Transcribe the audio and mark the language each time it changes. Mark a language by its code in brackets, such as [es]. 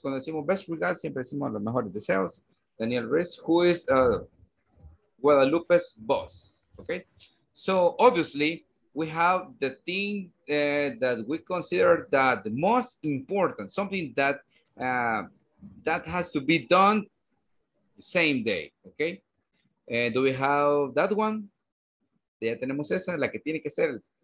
[es] Cuando decimos [en] best regards, [es] siempre decimos los mejores deseos. [en] Daniel Ruiz, who is Guadalupe's boss. Okay. So obviously, we have the thing that we consider that the most important, something that that has to be done the same day. Okay. Do we have that one? [es] Ya tenemos esa, la que tiene que ser.